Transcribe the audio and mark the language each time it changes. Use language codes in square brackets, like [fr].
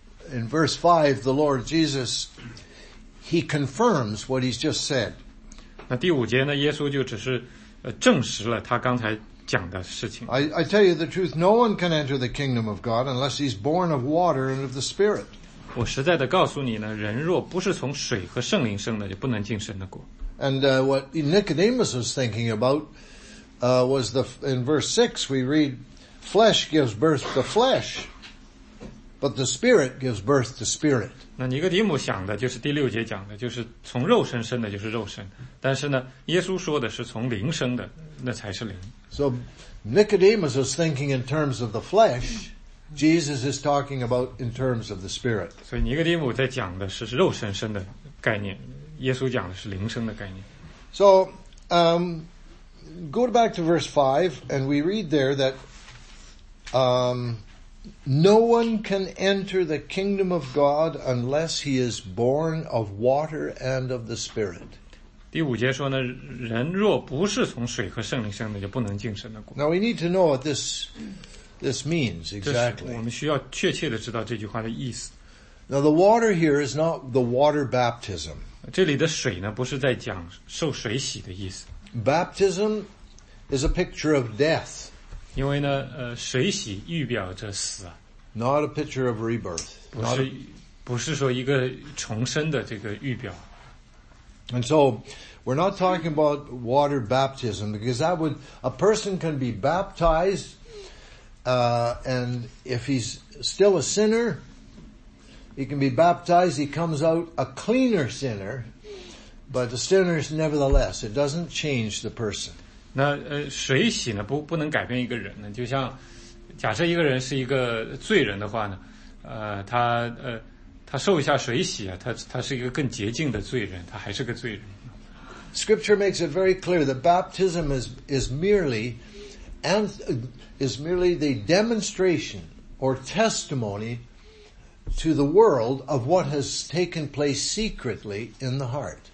[en] In verse 5, the Lord Jesus, he confirms what he's just said. [zh] 那第五节呢，耶稣就只是证实了他刚才讲的事情。 [en] I tell you the truth, no one can enter the kingdom of God unless he's born of water and of the Spirit. [zh] 我实在的告诉你呢，人若不是从水和圣灵生的，就不能进神的国。 [en] And what Nicodemus was thinking about was in verse 6 we read, flesh gives birth to flesh, but the Spirit gives birth to Spirit. [zh] 那尼哥底母想的就是第六节讲的，就是从肉身生的就是肉身，但是呢，耶稣说的是从灵生的，那才是灵。 [en] So Nicodemus was thinking in terms of the flesh, Jesus is talking about in terms of the Spirit. [zh] 所以尼哥底母在讲的是肉身生的概念，耶稣讲的是灵生的概念。 [en] So, go back to verse 5, and we read there that, no one can enter the kingdom of God unless he is born of water and of the Spirit. [zh] 第五节说呢，人若不是从水和圣灵生的，就不能进神的国。 [en] Now we need to know what this means exactly. [zh] 我们需要确切的知道这句话的意思。 [en] Now the water here is not the water baptism. [zh] 这里的水呢，不是在讲受水洗的意思。 [en] Baptism is a picture of death. [zh] 因为呢，水洗预表着死啊。 [en] Not a picture of rebirth. [zh] 不是说一个重生的这个预表。 [en] And so, we're not talking about water baptism because that would a person can be baptized. And if he's still a sinner, He can be baptized. He comes out a cleaner sinner, but the sinner is nevertheless. It doesn't change the person. [zh] 那水洗呢？不能改变一个人呢？就像假设一个人是一个罪人的话呢？他受一下水洗啊，他是一个更洁净的罪人，他还是个罪人。 [en] Scripture makes it very clear that baptism is merely the demonstration or testimony to the world of what has taken place secretly in the heart.